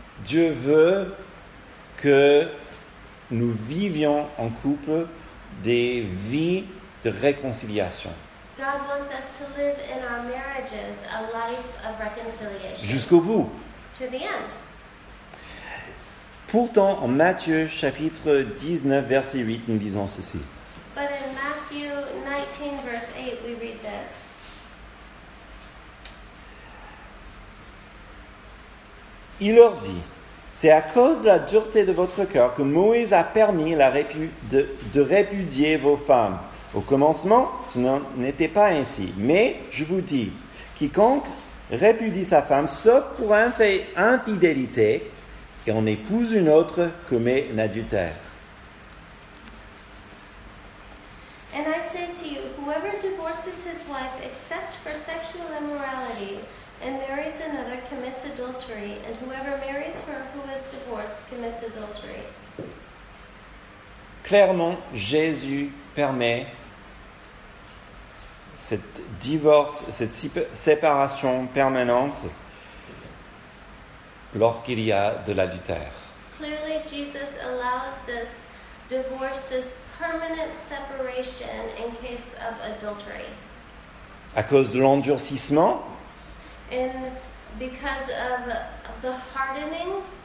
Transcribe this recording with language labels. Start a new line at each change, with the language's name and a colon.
French: Dieu veut que nous vivions en couple des vies de réconciliation.
English: God wants us to live in our marriages a life of reconciliation.
French: Jusqu'au bout.
English: To the end.
French: Pourtant, en Matthieu chapitre 19, verset 8, nous lisons ceci.
English: But in Matthew 19, verse 8, we read this.
French: Il leur dit, c'est à cause de la dureté de votre cœur que Moïse a permis de répudier vos femmes. Au commencement, ce n'était pas ainsi. Mais je vous dis, quiconque répudie sa femme, sauf pour un fait infidélité, et en épouse une autre, commet un adultère.
English: And I say to you, whoever divorces his wife except for sexual immorality and marries another commits adultery, and whoever marries her who is divorced commits adultery.
French: Clairement, Jésus permet cette divorce, cette séparation permanente lorsqu'il y a de l'adultère.
English: Clearly, Jesus allows this divorce, this permanent separation in case of adultery.
French: À cause de l'endurcissement,
English: and because of the hardening,